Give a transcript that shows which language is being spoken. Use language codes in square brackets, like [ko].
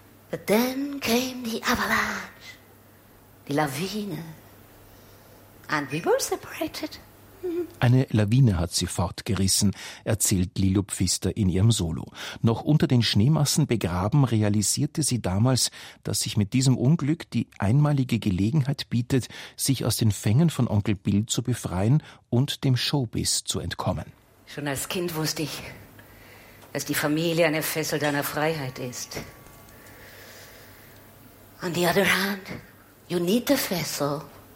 [en] But then came the avalanche, die Lawine, and we were separated. [de] Eine Lawine hat sie fortgerissen, erzählt Lilo Pfister in ihrem Solo. Noch unter den Schneemassen begraben, realisierte sie damals, dass sich mit diesem Unglück die einmalige Gelegenheit bietet, sich aus den Fängen von Onkel Bill zu befreien und dem Showbiz zu entkommen. Schon als Kind wusste ich, dass die Familie eine Fessel deiner Freiheit ist. [en] On the other hand, you need the vessel.